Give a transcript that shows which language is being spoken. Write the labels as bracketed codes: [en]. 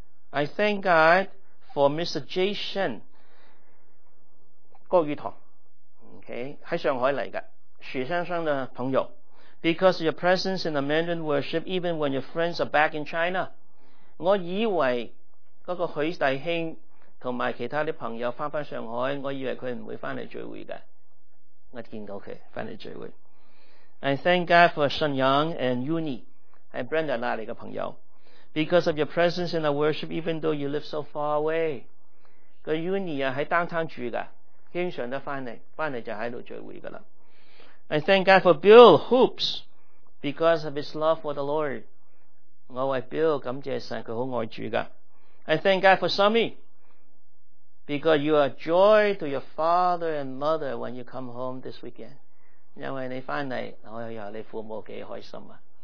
[en] I thank God for Mr. Jay Shen 郭宇堂, okay, [zh] 在上海來的, 徐先生的朋友, [en] because of your presence in the Mandarin worship even when your friends are back in China. [zh] 我以為那個許弟兄和其他朋友回到上海, 我以為他不會回來聚會的, 我見到他回來聚會。 [en] I thank God for Shen Yang and Yuni, [zh] 是Brenda那裡的朋友, [en] because of your presence in our worship even though you live so far away. [zh] 那Yuni在downtown住的, 經常都回來就在這裡聚會的了。 [en] I thank God for Bill Hoops, because of his love for the Lord. [zh] 我為Bill感謝神, [en] I thank God for Sammy, because you are joy to your father and mother when you come home this weekend. [zh] 因為你回來,你父母多開心啊。